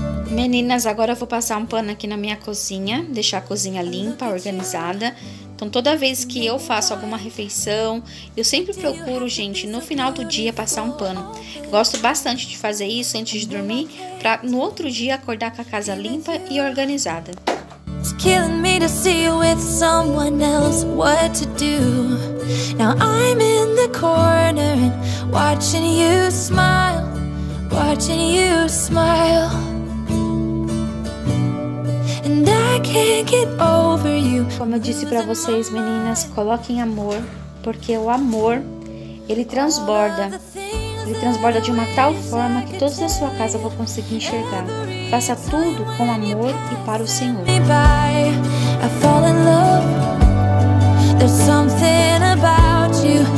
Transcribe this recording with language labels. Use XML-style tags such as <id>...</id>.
<pt>Meninas, agora eu vou passar um pano aqui na minha cozinha, deixar a cozinha limpa, organizada. Então, toda vez que eu faço alguma refeição, eu sempre procuro, gente, no final do dia, passar um pano. Gosto bastante de fazer isso antes de dormir, pra no outro dia acordar com a casa limpa e organizada.</pt> <en>It's killing me to see you with someone else. What to do? Now I'm in the corner and watching you smile. Watching you smile. And I can't get over you.</en> <pt>Como eu disse pra vocês, meninas, coloquem amor, porque o amor, ele transborda. Ele transborda de uma tal forma que todos na sua casa vão conseguir enxergar. Faça tudo com amor e para o Senhor.</pt> <en>I fall in love. There's something about you.</en>